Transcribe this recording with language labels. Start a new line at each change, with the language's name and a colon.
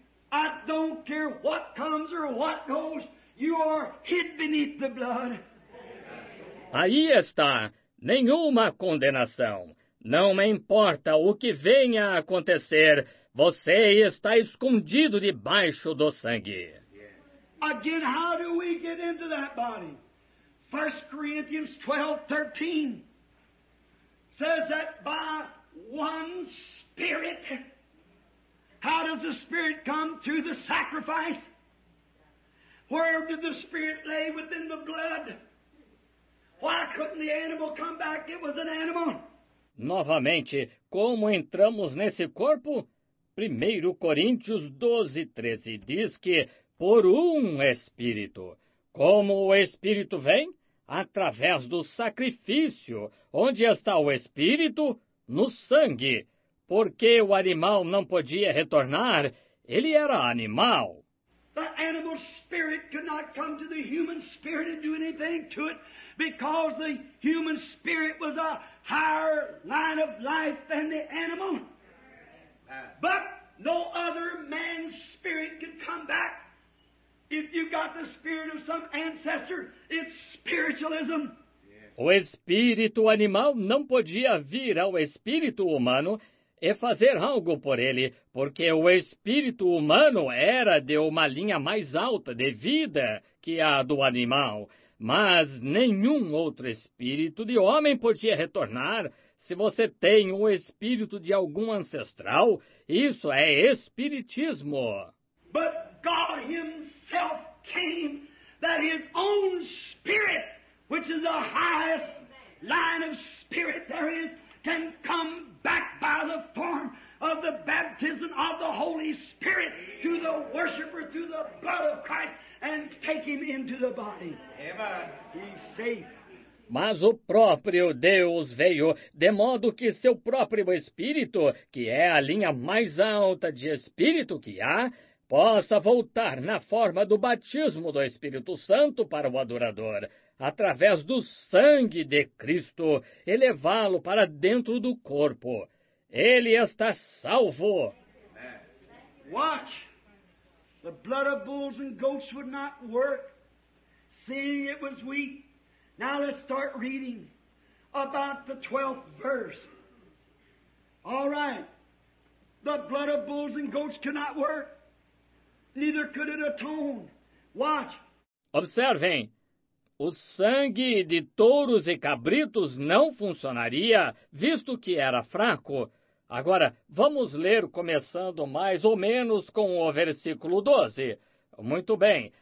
English: I don't care what comes or what goes. You are hid beneath the blood.
Portuguese: Aí está, nenhuma condenação. Não me importa o que venha a acontecer, você está escondido debaixo do sangue.
English: Again, how do we get into that body? 1 Corinthians 12:13 says that by one spirit. How does the spirit come? Through the sacrifice. Where did the spirit lay? Within the blood. Why couldn't the animal come back? It was an animal.
Portuguese: Novamente, como entramos nesse corpo? 1 Coríntios 12:13 diz que por um Espírito. Como o Espírito vem? Através do sacrifício. Onde está o Espírito? No sangue. Porque o animal não podia retornar, ele era animal.
English: The animal spirit could not come to the human spirit and do anything to it, because the human spirit was a higher line of life than the animal. But no other man's spirit could come back. If you got the spirit of some ancestor, it's spiritualism.
Portuguese: O espírito animal não podia vir ao espírito humano e fazer algo por ele, porque o espírito humano era de uma linha mais alta de vida que a do animal. Mas nenhum outro espírito de homem podia retornar. Se você tem o espírito de algum ancestral, isso é espiritismo.
English: But God himself came, that his own spirit, which is the highest line of spirit there is, can come back by the form of the baptism of the Holy Spirit to the worshiper through the blood of Christ and take him into the body. He's safe.
Portuguese: Mas o próprio Deus veio, de modo que seu próprio espírito, que é a linha mais alta de espírito que há, possa voltar na forma do batismo do Espírito Santo para o adorador, através do sangue de Cristo, e levá-lo para dentro do corpo. Ele está salvo.
English: Watch. The blood of bulls and goats would not work, seeing it was weak. Now let's start reading about the 12th verse. All right. The blood of bulls and goats cannot work. Neither could it atone. Watch.
Portuguese: Observem. O sangue de touros e cabritos não funcionaria, visto que era fraco. Agora, vamos ler começando mais ou menos com o versículo 12. Muito bem.